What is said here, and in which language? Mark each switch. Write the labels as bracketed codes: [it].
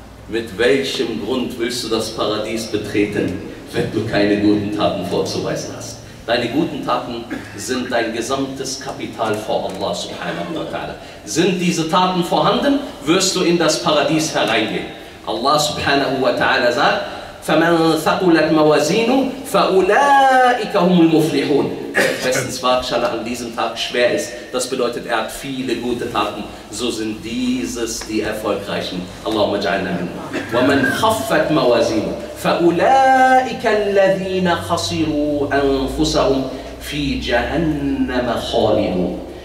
[de] Mit welchem Grund willst du das Paradies betreten, wenn du keine guten Taten vorzuweisen hast? Deine guten Taten sind dein gesamtes Kapital vor Allah subhanahu wa ta'ala. Sind diese Taten vorhanden, wirst du in das Paradies hereingehen. Allah subhanahu wa ta'ala sagt, [ar] فَمَنْ ثَقُلَتْ مَوَازِينُ فَأُولَٰئِكَ هُمُ الْمُفْلِحُونَ. [de] Bestens Waagschale an diesem Tag schwer ist, das bedeutet, er hat viele gute Taten, so sind dieses die Erfolgreichen. [ar] Allahumma ja'alna minhum. وَمَنْ خَفَّتْ مَوَازِينُ فَأُولَٰئِكَ الَّذِينَ خَسِرُوا أَنفُسَهُمْ فِي جَهَنَّمَ خَالِدُونَ.